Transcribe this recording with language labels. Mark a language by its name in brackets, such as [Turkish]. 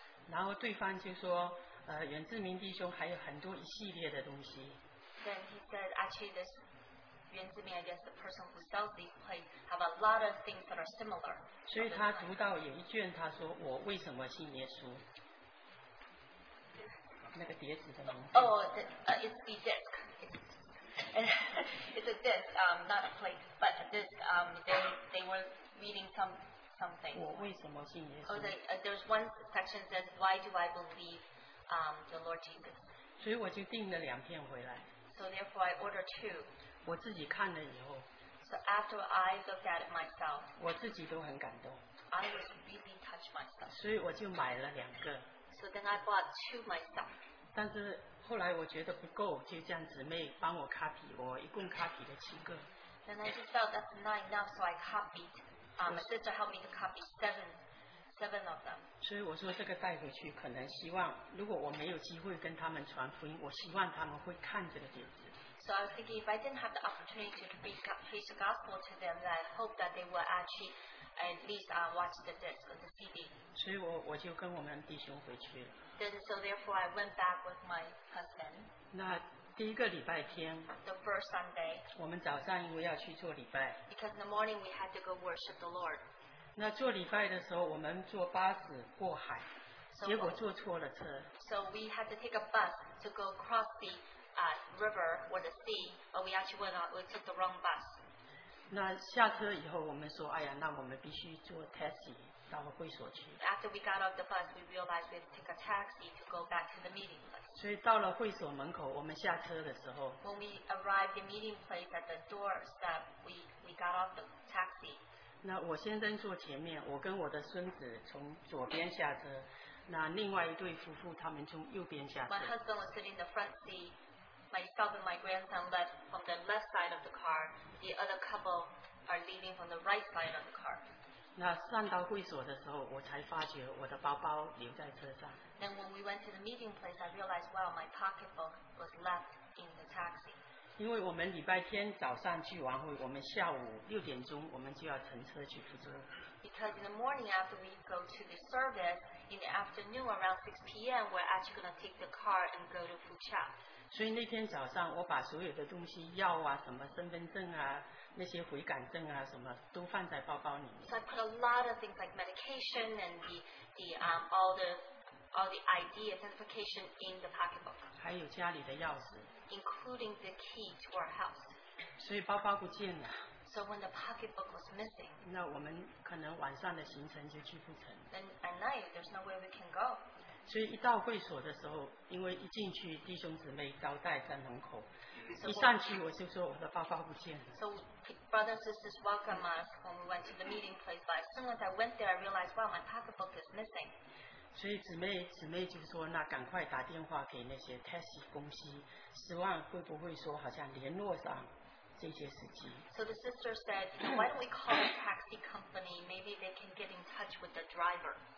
[Chinese] 然后对方就说，袁志明弟兄还有很多一系列的东西。 [English] Then he said, actually this. 袁志明 I guess the person who sells these plates have a lot of things that are similar. [Chinese] 所以他读到有一卷，他说我为什么信耶稣？那个碟子的名字。 [English] Oh, it's the disc. It's a disc, not a plate, but a disc. They were reading something. [Chinese] 我为什么信耶稣？ [English] Oh, there's one section that says why do I believe, the Lord Jesus. [Chinese] 所以我就订了两片回来。 [English] So therefore I order two. [Chinese] 我自己看了以后 [English] so after I looked at it myself, [Chinese] 我自己都很感动 [English] I was really touched myself. [Chinese] 所以我就买了两个 [English] so then I bought two myself. [Chinese] 但是后来我觉得不够，就叫姊妹帮我 copy， 我一共 copy 了七个。 [English] And I just felt that's not enough, so I copied. My sister helped me to copy seven of them. [Chinese] 所以我说这个带回去，可能希望如果我没有机会跟他们传福音，我希望他们会看这个点子。 [English] So I was thinking if I didn't have the opportunity to preach the gospel to them, then I hope that they will actually at least watch the disc or the CD. [Chinese] 所以我就跟我们弟兄回去了。 [English] Then, so therefore I went back with my husband. [Chinese] 那第一个礼拜天 [English] the first Sunday, [Chinese] 我们早上因为要去做礼拜 [English] because in the morning we had to go worship the Lord. [Chinese] 那做礼拜的时候我们坐巴士过海 [English] so, [Chinese] 结果坐错了车。 [English] So we had to take a bus to go across theriver or the sea, but we actually we took the wrong bus. [Chinese] 那下车以后，我们说，哎呀，那我们必须坐 taxi 到会所去。 [English] After we got off the bus, we realized we had to take a taxi to go back to the meeting place. [Chinese] 所以到了会所门口，我们下车的时候 [English] ，When we arrived the meeting place at the doorstep, we got off the taxi. [Chinese] 那我先生坐前面，我跟我的孙子从左边下车，那另外一对夫妇他们从右边下车。 [English] My husband was sitting in the front seat. Myself and my grandson left from the left side of the car. The other couple are leaving from the right side of the car. [Chinese] 那上到会所的时候，我才发觉我的包包留在车上。 [English] Then when we went to the meeting place, I realized, wow, my pocketbook was left in the taxi. [Chinese] 因为我们礼拜天早上去完会，我们下午六点钟我们就要乘车去福州。 [English] Because in the morning after we go to the service, in the afternoon around 6 p.m., we're actually going to take the car and go to Fuchao. [Chinese] 所以那天早上我把所有的东西药啊什么身份证啊那些悔改证啊什么都放在包包里面。 [English] So I put a lot of things like medication and all the ID identification in the pocketbook. [Chinese] 还有家里的钥匙。 [English] Including the key to our house. [Chinese] 所以包包不见了。 [English] So when the pocketbook was missing. [Chinese] 那我们可能晚上的行程就去不成。 [English] Then at night there's no way we can go. [Chinese] 所以一到会所的时候，因为一进去弟兄姊妹招待在门口，一上去我就说我的包包不见了。 [English] So brothers and sisters welcome us when we went to the meeting place. But as soon as I went there, I realized, wow, my pocketbook is missing. [Chinese] 所以姊妹就说，那赶快打电话给那些 taxi 公司，希望会不会说好像联络上这些司机。 [English] So the sister said, why don't we call a taxi company? Maybe they can get in touch with the driver.